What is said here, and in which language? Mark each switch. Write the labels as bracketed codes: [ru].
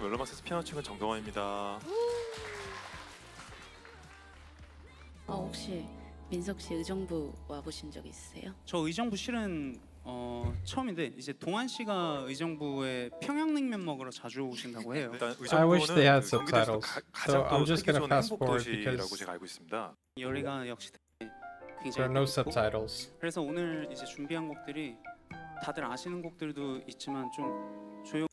[ko] 멜로망스 피아노 친구 정경원입니다. 아, 혹시 민석 씨 의정부 와 보신 적 있으세요? 저 의정부 실은 처음인데 이제 동환 씨가 의정부에 평양냉면 먹으러 자주 오신다고 해요. 일단 의정부는 [en] I wish they had subtitles. So I'm just going to fast forward because [ko] 제가 알고 있습니다. 여리가 역시 [en] There are no subtitles. [ko] 그래서 오늘 이제 준비한 곡들이 다들 아시는 곡들도 있지만 좀 조용.